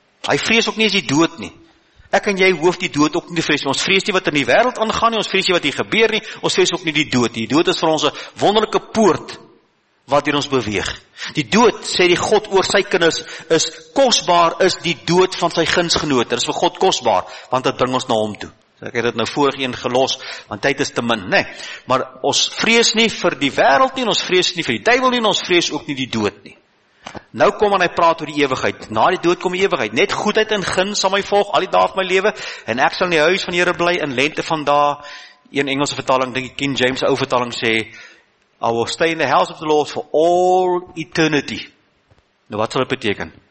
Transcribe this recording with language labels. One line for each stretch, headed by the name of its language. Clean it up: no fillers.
Afrikaans: Hy vrees ook nie as die dood nie. Ek en jy hoef die dood ook nie vrees nie. Ons vrees nie wat in die wêreld aangaan nie, ons vrees nie wat hier gebeur nie, ons vrees ook nie die dood nie. Die dood is vir ons 'n wonderlike poort wat hier ons beweeg. Die dood, sê die God oor sy kinders, is kosbaar, is die dood van sy gunsgenote. Dit is vir God kosbaar, want dit bring ons na hom toe. So ek het dit nou vorig een gelos, want tyd is te min, nê. Nee. Maar ons vrees nie vir die wêreld nie, ons vrees nie vir die duiwel nie, ons vrees ook nie die dood nie. Nou kom en hy praat oor die ewigheid. Na die dood kom die ewigheid. Net goedheid en guns sal my volg al die dae van my lewe, en ek sal in die huis van die Here bly in lente van dae. Een Engelse vertaling, dink ek King James ou vertaling sê
English: I will stay in the house of the Lord for all eternity.
Afrikaans: Nou wat sal dit beteken?